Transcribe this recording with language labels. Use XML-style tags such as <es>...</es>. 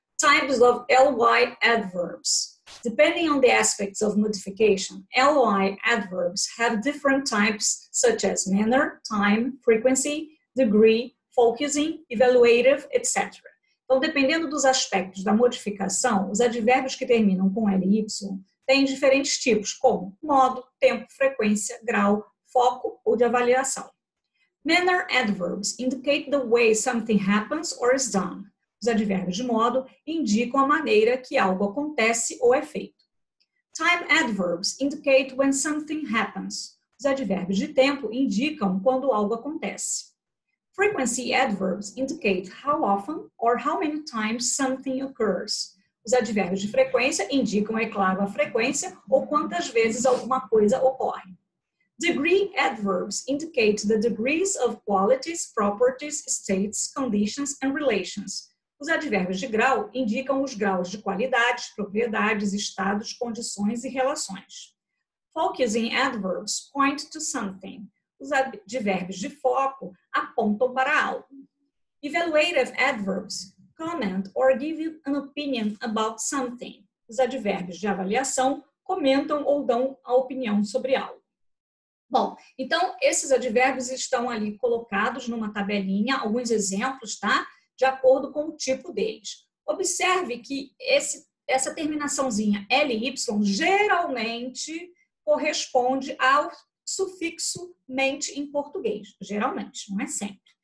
<en>Types of LY adverbs. Depending on the aspects of modification, LY adverbs have different types, such as manner, time, frequency, degree, focusing, evaluative, etc.</en> <pt>Então, dependendo dos aspectos da modificação, os advérbios que terminam com L e Y têm diferentes tipos, como modo, tempo, frequência, grau, foco ou de avaliação.</pt> <en>Manner adverbs indicate the way something happens or is done.</en> <pt>Os advérbios de modo indicam a maneira que algo acontece ou é feito.</pt> <en>Time adverbs indicate when something happens.</en> <pt>Os advérbios de tempo indicam quando algo acontece.</pt> <en>Frequency adverbs indicate how often or how many times something occurs.</en> <pt>Os advérbios de frequência indicam, é claro, a frequência ou quantas vezes alguma coisa ocorre.</pt> <en>Degree adverbs indicate the degrees of qualities, properties, states, conditions, and relations.</en> <pt>Os advérbios de grau indicam os graus de qualidades, propriedades, estados, condições e relações.</pt> <en>Focusing adverbs point to something.</en> <pt>Os advérbios de foco apontam para algo.</pt> <en>Evaluative adverbs comment or give an opinion about something.</en> <pt>Os advérbios de avaliação comentam ou dão a opinião sobre algo. Bom, então esses advérbios estão ali colocados numa tabelinha, alguns exemplos, tá? De acordo com o tipo deles. Observe que essa terminaçãozinha LY geralmente corresponde ao sufixo mente em português, geralmente, não é sempre.</pt>